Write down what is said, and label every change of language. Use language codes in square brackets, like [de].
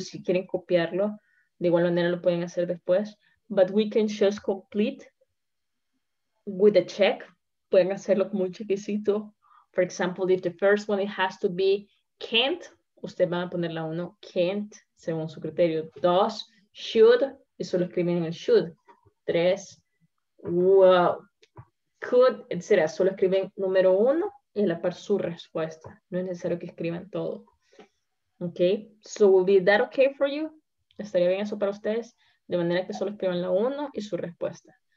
[es] Si quieren copiarlo, de igual manera lo pueden hacer después. [en] But we can just complete with a check. [es] Pueden hacerlo como un chequecito. [en] For example, if the first one it has to be can't, [es] usted va a poner la uno, can't, según su criterio. Dos, should, eso lo escriben en el should. Tres, wow. Could, etcétera, solo escriben número uno y en la par su respuesta. No es necesario que escriban todo. [en] Ok, so will be that okay for you? [es] ¿Estaría bien eso para ustedes? De manera que solo escriban la uno y su respuesta.